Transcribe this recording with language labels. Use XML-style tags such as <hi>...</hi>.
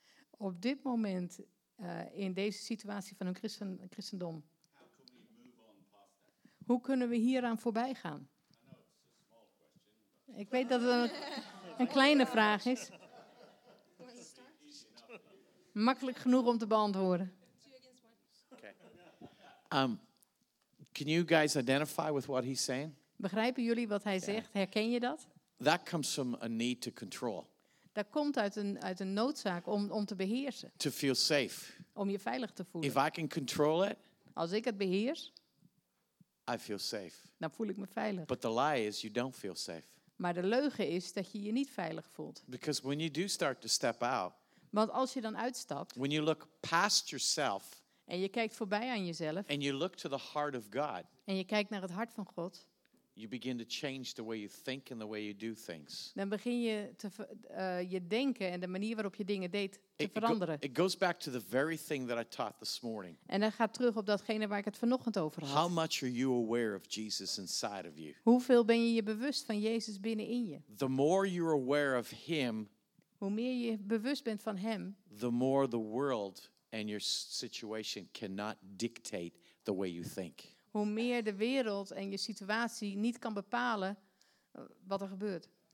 <nl>Op dit moment, in deze situatie van hun christendom, hoe kunnen we hieraan voorbij gaan? Ik weet dat het een kleine vraag is. Makkelijk genoeg om te beantwoorden. Okay.</nl> <en>Can you guys identify with what he's saying?</en> <nl>Begrijpen jullie wat hij zegt? Herken je dat?</nl> <en>That comes from a need to control.</en> <nl>Dat komt uit een noodzaak om te beheersen.</nl> <en>To feel safe.</en> <nl>Om je veilig te voelen.</nl> <en>If I can control it,</en> <nl>als ik het beheers,</nl> <en>I feel safe.</en> <nl>Dan voel ik me veilig.</nl> <en>But the lie is you don't feel safe.</en> <nl>Maar de leugen is dat je je niet veilig voelt.</nl> <en>Because when you do start to step out,</en> <nl>want als je dan uitstapt,</nl> <en>when you look past yourself,</en> <nl>en je kijkt voorbij aan jezelf,</nl> <en>and you look to the heart of God,</en> <nl>en je kijkt naar het hart van God,</nl> <en>you begin to change the way you think and the way you do things.</en> <nl>Dan begin je je denken en de manier waarop je dingen deed te veranderen.</nl> <en>It goes back to the very thing that I taught this morning.</en> <nl>En dat gaat terug op datgene waar ik het vanochtend over had.</nl> <en>How much are you aware of Jesus inside of you?</en> <nl>Hoeveel ben je bewust van Jezus binnenin je?</nl> <en>The more you're aware of him,</en> <nl>hoe meer je bewust bent van hem,</nl> <en>the more the world and your situation cannot dictate the way you think.</en> <nl>Hoe meer de wereld en je situatie niet kan bepalen wat er gebeurt.</nl>